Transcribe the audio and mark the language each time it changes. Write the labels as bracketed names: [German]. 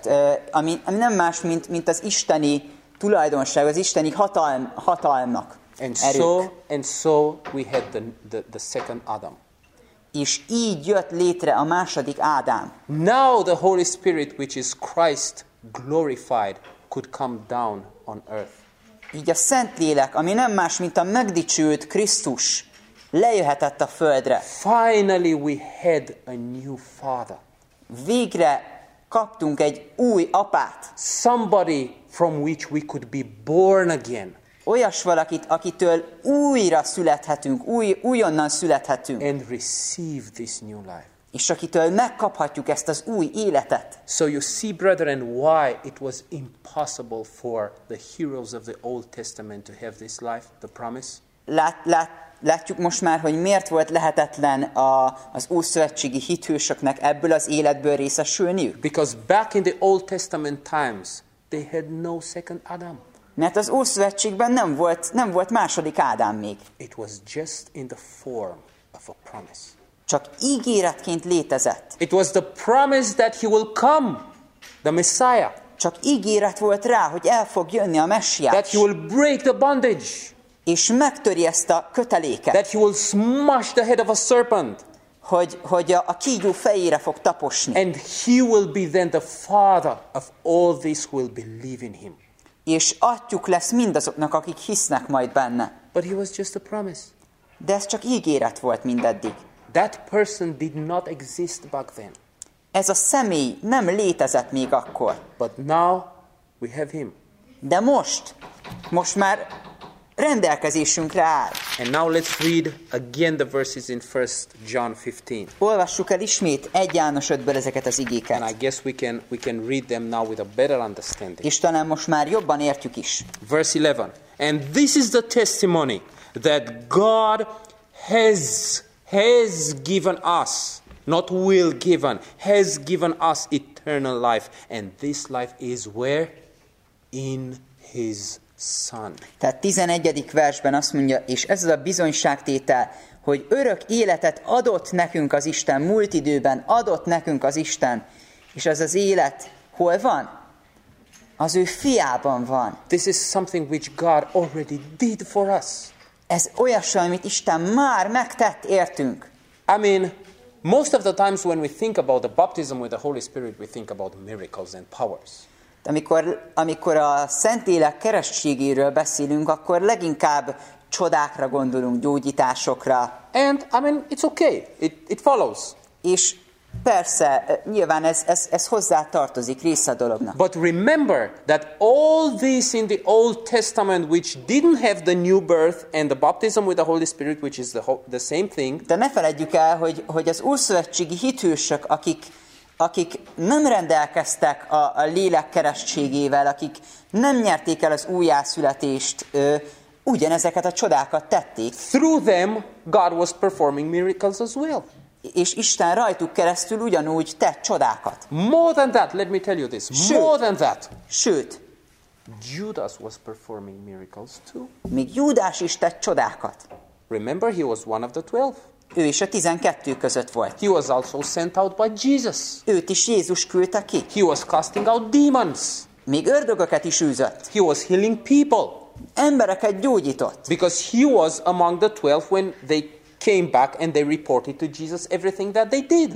[Hungarian] Tehát, ami nem más mint az isteni tulajdonság, az isteni hatalmnak. [English] And so we had the second Adam. [Hungarian] És így jött létre a második Ádám. [English] Now the Holy Spirit, which is Christ glorified, could come down on earth. [Hungarian] Így a Szentlélek, ami nem más, mint a megdicsőt Krisztus, lejöhetett a földre. [English] Finally we had a new father. [Hungarian] Végre kaptunk egy új apát. [English] Somebody from which we could be born again. [Hungarian] Olyas valakit, akitől újra születhetünk, újonnan születhetünk. [English] And receive this new life. [Hungarian] És akitől megkaphatjuk ezt az új életet. [English] So you see, brethren, why it was impossible for the heroes of the Old Testament to have this life, the promise? [Hungarian] Látjuk most már, hogy miért volt lehetetlen az ószövetségi hithősöknek ebből az életből részesülniük. [English] Because back in the Old Testament times, they had no second Adam. [Hungarian] Mert az ószövetségben nem volt második Ádám még. [English] It was just in the form of a promise. [Hungarian] Csak ígéretként létezett. [English] It was the promise that he will come, the Messiah. [Hungarian] Csak ígéret volt rá, hogy el fog jönni a Messiás. [English] That he will break the bondage. [Hungarian] És megtöri ezt a köteléket. [English] That he will smash the head of a serpent. [Hungarian] Hogy a kígyó fejére fog taposni. [English] And he will be then the father of all these who will believe in him. [Hungarian] És atyuk lesz mindazoknak, akik hisznek majd benne. [English] But he was just a promise. [Hungarian] De ez csak ígéret volt mindeddig. [English] That person did not exist back then. [Hungarian] Ez a személy nem létezett még akkor. [English] But now we have him. [Hungarian] De most már rendelkezésünkre áll. [English] And now let's read again the verses in 1 John 15. [Hungarian] Olvassuk el ismét 1 János 5-ből ezeket az igéket. [English] And I guess we can read them now with a better understanding. [Hungarian] És talán most már jobban értjük is. [English] Verse 11. And this is the testimony that God has given us, not will given, has given us eternal life. And this life is where? In his Son. [Hungarian] Tehát 11. versben azt mondja, és ez az a bizonyságtétel, hogy örök életet adott nekünk az Isten, múlt időben adott nekünk az Isten, és ez az élet hol van? Az ő fiában van. [English] This is something which God already did for us. [Hungarian] Ez olyasmi, amit Isten már megtett értünk. [English] I mean, most of the times when we think about the baptism with the Holy Spirit, we think about miracles and powers. [Hungarian] Amikor a Szentlélek keresztségéről beszélünk, akkor leginkább csodákra gondolunk, gyógyításokra. [English] And I mean, it's okay. It follows. [Hungarian] És persze, nyilván ez hozzá tartozik, része a dolognak. [English] But remember that all this in the Old Testament, which didn't have the new birth and the baptism with the Holy Spirit, which is the same thing. [Hungarian] De ne feledjük el, hogy az újszövetségi hitősök, akik nem rendelkeztek a lélek keresztségével, akik nem nyerték el az újjászületést, ugyanezeket a csodákat tették. [English] Through them God was performing miracles as well. [Hungarian] És Isten rajtuk keresztül ugyanúgy tett csodákat. [English] More than that, let me tell you this. More than that. [Hungarian] Sőt, [English] Judas was performing miracles too. [Hungarian] Még Júdás is tett csodákat. [English] Remember, he was one of the 12. [Hungarian] Ő is a 12 között volt. [English] He was also sent out by Jesus. [Hungarian] Őt is Jézus küldte ki. [English] He was casting out demons. [Hungarian] Még ördögöket is űzött. [English] He was healing people. [Hungarian] Embereket gyógyított. [English] Because he was among the 12 when they came back and they reported to Jesus everything that they did.